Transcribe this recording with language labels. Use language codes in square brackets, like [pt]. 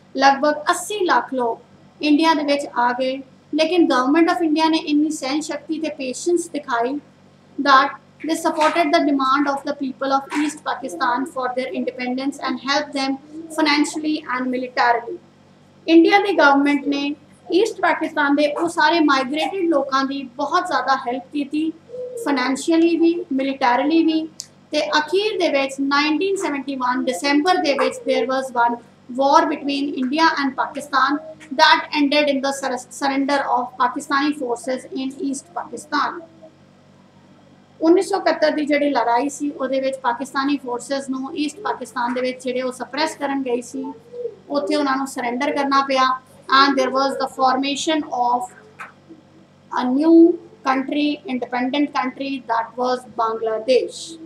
[pa] ਲਗਭਗ 80 ਲੱਖ ਲੋਕ ਇੰਡੀਆ ਦੇ ਵਿੱਚ ਆ ਗਏ, ਲੇਕਿਨ ਗਵਰਨਮੈਂਟ ਆਫ ਇੰਡੀਆ ਨੇ ਇੰਨੀ ਸਹਿਣ ਸ਼ਕਤੀ ਅਤੇ ਪੇਸ਼ੈਂਸ ਦਿਖਾਈ [en] That they supported the demand of the people of East Pakistan for their independence and help them financially and militarily. [pa] India ਦੀ government ਨੇ ਈਸਟ ਪਾਕਿਸਤਾਨ ਦੇ ਉਹ ਸਾਰੇ ਮਾਈਗ੍ਰੇਟਡ ਲੋਕਾਂ ਦੀ ਬਹੁਤ ਜ਼ਿਆਦਾ ਹੈਲਪ ਕੀਤੀ, ਫਾਈਨੈਂਸ਼ੀਅਲੀ ਵੀ, ਮਿਲੀਟਰੀਲੀ ਵੀ. ਤੇ ਅਖੀਰ ਦੇ ਵਿੱਚ 1971 ਦਸੰਬਰ ਦੇ ਵਿੱਚ [en] There was one war between India and Pakistan that ended in the surrender of Pakistani forces in East Pakistan. [pa] 1971 ਦੀ ਜਿਹੜੀ ਲੜਾਈ ਸੀ ਉਹਦੇ ਵਿੱਚ ਪਾਕਿਸਤਾਨੀ ਫੋਰਸਸ ਨੂੰ ਈਸਟ ਪਾਕਿਸਤਾਨ ਦੇ ਵਿੱਚ ਜਿਹੜੇ ਉਹ ਸਪਰੈਸ ਕਰਨ ਗਏ ਸੀ ਉੱਥੇ ਉਹਨਾਂ ਨੂੰ ਸਰੈਂਡਰ ਕਰਨਾ ਪਿਆ [en] And there was the formation of a new country independent country that was Bangladesh.